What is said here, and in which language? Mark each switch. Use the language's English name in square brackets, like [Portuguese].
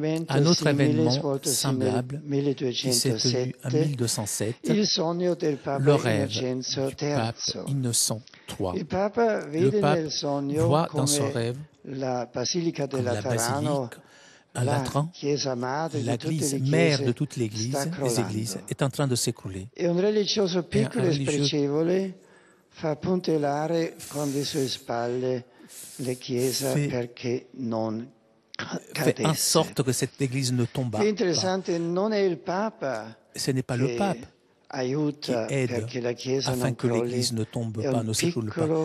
[French] un autre événement semblable qui s'est tenu en 1207, le rêve du pape Innocent III. Le pape voit dans son rêve la basilique de Laterano, à Latran, la église mère de toutes les églises, est en train de s'écrouler. [Italian] Et un religioso piccolo e spregevole fa puntellare con le sue spalle le chiesa perché non cadesse. [French] Fait en sorte que cette église ne tombe pas. C'est intéressant, [Italian] non è il Papa. [French] Ce n'est pas le pape [Italian] aiuta [French] qui aide [Italian] perché la chiesa [French] afin [Italian] non [French] que l'église ne tombe pas, ne s'écroule pas.